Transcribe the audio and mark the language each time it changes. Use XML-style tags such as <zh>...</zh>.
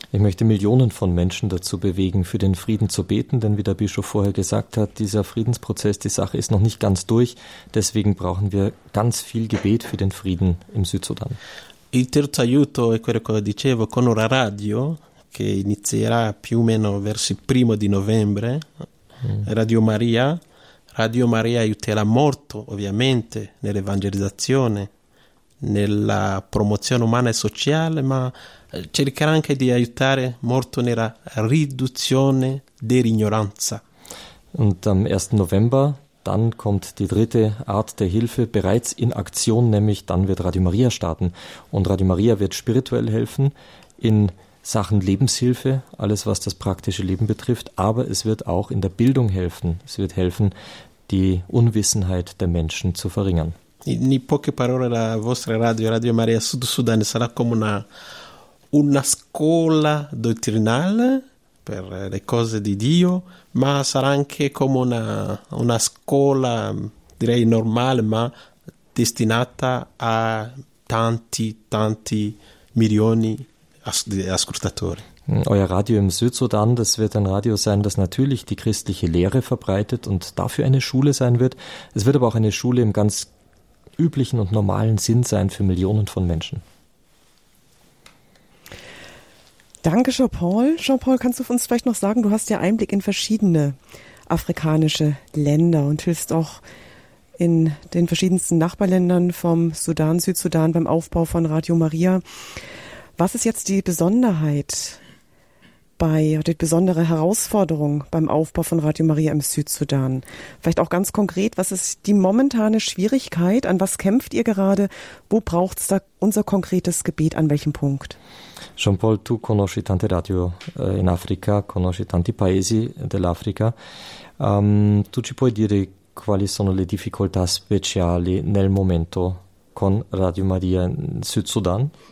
<de>Ich möchte Millionen von Menschen dazu bewegen, für den Frieden zu beten, denn wie der Bischof vorher gesagt hat, dieser Friedensprozess, die Sache ist noch nicht ganz durch, deswegen brauchen wir ganz viel Gebet für den Frieden im Südsudan.</de> <it>Il terzo aiuto è quello che dicevo con una radio che inizierà più o meno verso il primo di novembre, Radio Maria. Radio Maria aiuterà molto, ovviamente, nell'evangelizzazione, nella promozione umana e sociale, ma cercherà anche di aiutare molto nella riduzione dell'ignoranza.</it> <de>Und am 1. November, dann kommt die dritte Art der Hilfe bereits in Aktion, nämlich dann wird Radio Maria starten. Und Radio Maria wird spirituell helfen in Sachen Lebenshilfe, alles was das praktische Leben betrifft, aber es wird auch in der Bildung helfen. Es wird helfen, die Unwissenheit der Menschen zu verringern.</de> <it>In poche parole, la vostra radio, Radio Maria Sud Sudan, sarà come una scuola dottrinale per le cose di Dio, ma sarà anche come una scuola, direi normale, ma destinata a tanti milioni di ascoltatori.</it> <de>Euer Radio im Südsudan, das wird ein Radio sein, das natürlich die christliche Lehre verbreitet und dafür eine Schule sein wird. Es wird aber auch eine Schule im ganz üblichen und normalen Sinn sein für Millionen von Menschen. Danke, Jean-Paul. Jean-Paul, kannst du uns vielleicht noch sagen, du hast ja Einblick in verschiedene afrikanische Länder und hilfst auch in den verschiedensten Nachbarländern vom Sudan, Südsudan beim Aufbau von Radio Maria. Was ist jetzt die Besonderheit bei, die besondere Herausforderung beim Aufbau von Radio Maria im Südsudan? Vielleicht auch ganz konkret, was ist die momentane Schwierigkeit? An was kämpft ihr gerade? Wo braucht es da unser konkretes Gebet? An welchem Punkt?</de> <it>Jean-Paul, tu conosci tante radio in Africa, conosci tanti paesi dell'Africa. Tu ci puoi dire quali sono le difficoltà speciali nel momento con Radio Maria in Sud Sudan?</it>